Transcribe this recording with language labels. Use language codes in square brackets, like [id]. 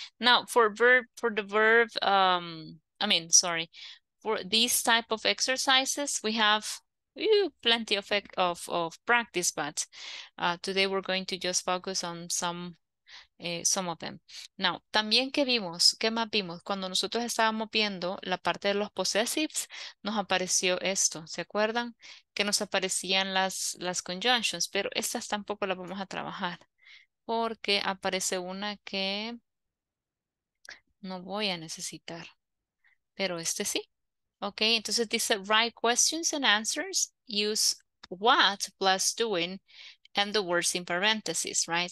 [en] Now, for these type of exercises, we have plenty of practice, but today we're going to just focus on some of them. [es] Now, también que vimos, ¿qué más vimos? Cuando nosotros estábamos viendo la parte de los possessives, nos apareció esto, ¿se acuerdan? Que nos aparecían las conjunctions, pero estas tampoco las vamos a trabajar, porque aparece una que no voy a necesitar, pero este sí. [en] Okay, [es] entonces dice, [en] write questions and answers, use what plus doing, and the words in parentheses, right?